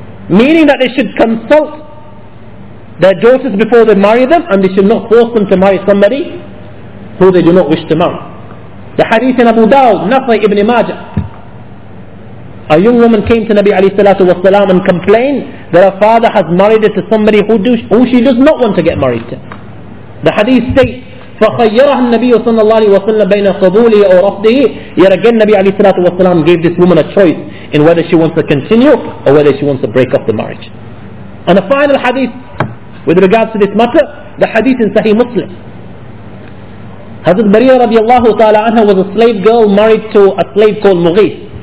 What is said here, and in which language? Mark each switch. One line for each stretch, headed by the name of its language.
English: Meaning that they should consult their daughters before they marry them, and they should not force them to marry somebody who they do not wish to marry. The hadith in Abu Dawud, Nasai ibn Majah, a young woman came to Nabi alayhi salatu wasalam and complained that her father has married her to somebody who she does not want to get married to. The hadith states,
Arabic: فَخَيَّرَهَا النَّبِيُّ صَلَّى اللَّهِ وَسَلَّمَ بَيْنَ قَبُولِهِ أَوْ رَفْضِهِ.
English: Yet again Nabi alayhi salatu wasalam gave this woman a choice in whether she wants to continue or whether she wants to break up the marriage. And a final hadith with regards to this matter, the hadith in Sahih Muslim. Hazrat Bariya radiallahu ta'ala anha was a slave girl married to a slave called Mughis.